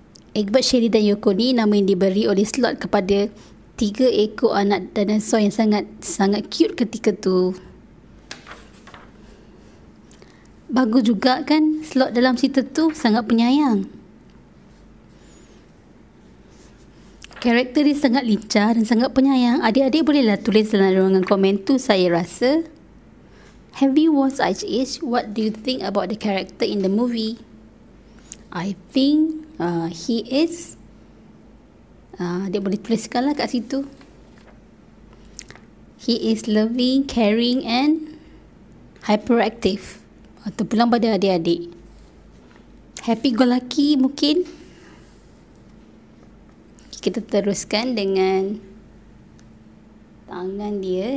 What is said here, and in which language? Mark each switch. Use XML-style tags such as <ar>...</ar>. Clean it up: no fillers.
<ms>Egbert, Shelley dan Yoko ni nama yang diberi oleh Slot kepada 3 ekor anak dinosaur yang sangat sangat cute ketika tu. Bagus juga kan, Slot dalam cerita tu sangat penyayang. Karakter dia sangat lincah dan sangat penyayang. Adik-adik bolehlah tulis dalam ruangan komen tu, saya rasa.</ms> <en>Have you watched Ice Age? What do you think about the character in the movie? I think he is.</en> <ms>Dia boleh tuliskanlah kat situ.</ms> <en>He is loving, caring and hyperactive.</en> <ms>Atau pulang pada adik-adik. Happy-go-lucky mungkin. Kita teruskan dengan tangan dia.</ms>